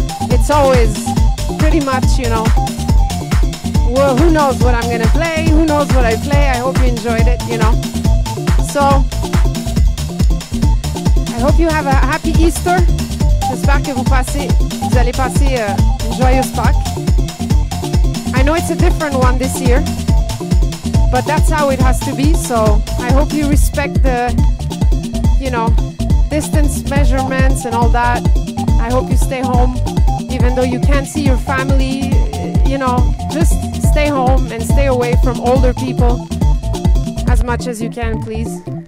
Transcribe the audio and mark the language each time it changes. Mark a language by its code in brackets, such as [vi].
[en] It's always pretty much, you know, well, who knows what I'm gonna play, who knows what I play. I hope you enjoyed it, you know. So, I hope you have a happy Easter. [fr] J'espère que vous allez passer une joyeuse Pâques. [en] I know it's a different one this year, but that's how it has to be. So I hope you respect the, you know, distance measurements and all that. I hope you stay home, even though you can't see your family, you know, just stay home and stay away from older people as much as you can, please.